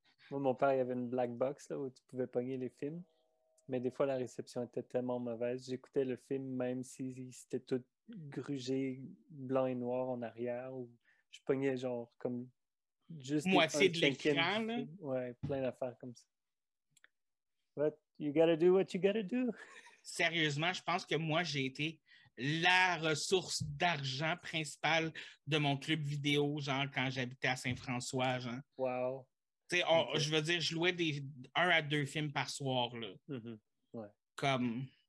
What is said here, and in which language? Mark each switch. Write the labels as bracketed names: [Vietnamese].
[French] Moi, mon père, il y avait une black box là, où tu pouvais pogner les films. Mais des fois, la réception était tellement mauvaise. J'écoutais le film, même si c'était tout grugé, blanc et noir en arrière. Ou je pognais genre comme juste moitié de l'écran. Là. Ouais, plein d'affaires comme ça. [English] But you gotta do what you gotta do. [French] Sérieusement, je pense que moi, j'ai été la ressource d'argent principale de mon club vidéo, genre quand j'habitais à Saint-François, genre. Wow. Tu sais, okay. Je veux dire, je louais des 1 à 2 films par soir, là. Mm-hmm. Ouais. Comme.